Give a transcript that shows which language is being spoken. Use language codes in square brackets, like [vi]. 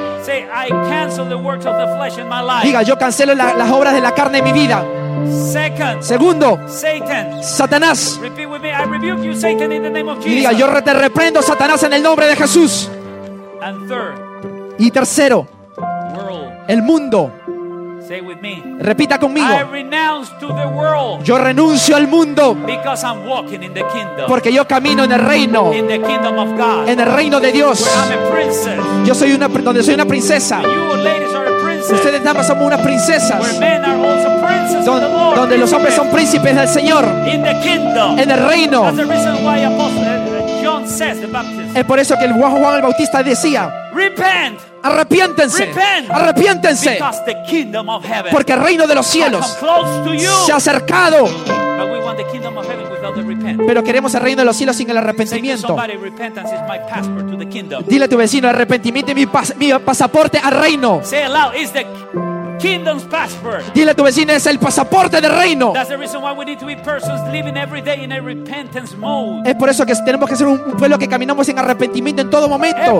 [en] Say I cancel the works of the flesh in my life. [es] Diga, yo cancelo las obras de la carne en mi vida. [en] Second. [es] Segundo. [en] Satan. [es] Satanás. [en] Repeat with me. I rebuke you, Satan, in the name of Jesus. [es] Y diga, yo te reprendo, Satanás, en el nombre de Jesús. [en] And third. [es] Y tercero. [en] World. [es] El mundo. [en] Say with me. [es] Repita conmigo. [en] I renounce to the world. [es] Yo renuncio al mundo. [en] Because I'm walking in the kingdom. [es] Porque yo camino en el reino. [en] In the kingdom of God. [es] En el reino de Dios. [en] Where I'm a princess. [es] Yo soy una, donde soy una princesa. [en] You ladies are princesses. [es] Ustedes damas somos unas princesas. [en] Where men are also princes of the Lord. [es] Donde los hombres son príncipes del Señor. [en] In the kingdom. [es] En el reino. [en] That's the reason why Apostle John says the Baptist. [es] Es por eso que el Juan el Bautista decía: [en] repent. [es] Arrepiéntense. [en] Repent. [es] Arrepiéntense. [en] Because the kingdom of heaven. [es] Porque el reino de los cielos se ha acercado. [en] But we want the kingdom of heaven without the repentance. [es] Pero queremos el reino de los cielos sin el arrepentimiento. [en] Say to somebody, repentance is my passport to the kingdom. [es] Dile a tu vecino, arrepentimiento es mi pasaporte al reino. [en] Say it loud, it's the kingdom's passport. [es] Dile a tu vecino, es el pasaporte del reino. [en] That's the reason why we need to be persons living every day in a repentance mode. [es] Es por eso que tenemos que ser un pueblo que caminamos en arrepentimiento en todo momento.